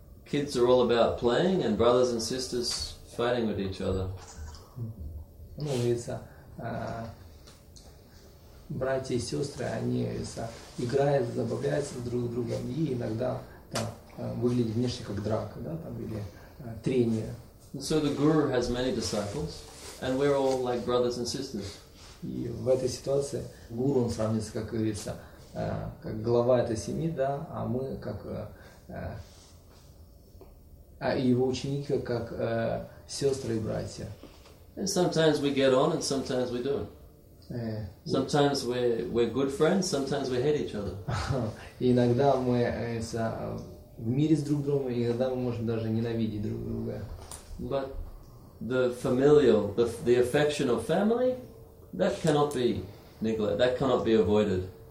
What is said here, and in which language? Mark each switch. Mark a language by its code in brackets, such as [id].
[en] Kids are all about playing and brothers and sisters fighting with each other. [ru] Ну, видится, братья и сестры, они, видится, играют, забавляются друг с другом и иногда там выглядят внешне как драка, да, там или трения. [en] So the guru has many disciples, and we're all like brothers and sisters. [ru] И в этой ситуации гуру, он сравнится, как говорится, как глава этой семьи, да, а мы как его ученики как сестры и братья. [en] And sometimes we get on and sometimes we don't. Sometimes we're good friends, sometimes we hate each other. [ru] Иногда мы в мире с друг другом, иногда мы можем даже ненавидеть друг друга. [en] But the familial, the affection of family, that cannot be neglected, that cannot be avoided.